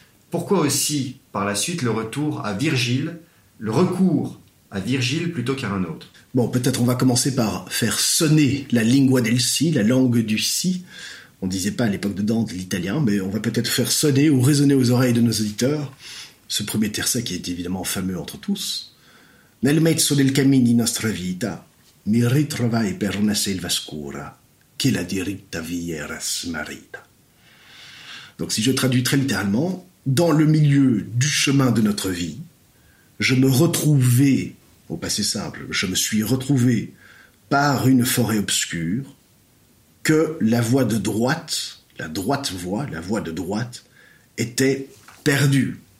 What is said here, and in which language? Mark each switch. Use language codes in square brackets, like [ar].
[fr] Pourquoi aussi, par la suite, le recours à Virgile plutôt qu'à un autre? Bon, peut-être on va commencer par faire sonner [it] la lingua del si, [fr] la langue du si. On disait pas à l'époque de Dante l'italien, mais on va peut-être faire sonner ou résonner aux oreilles de nos auditeurs ce premier tercet qui est évidemment fameux entre tous. [it] Nel mezzo del cammin di nostra vita mi ritrovai per una selva scura che la diritta via era smarrita. [fr] Donc si je traduis très littéralement, dans le milieu du chemin de notre vie, je me retrouvais... Au passé simple, je me suis retrouvé par une forêt obscure que la voie de droite, était perdue.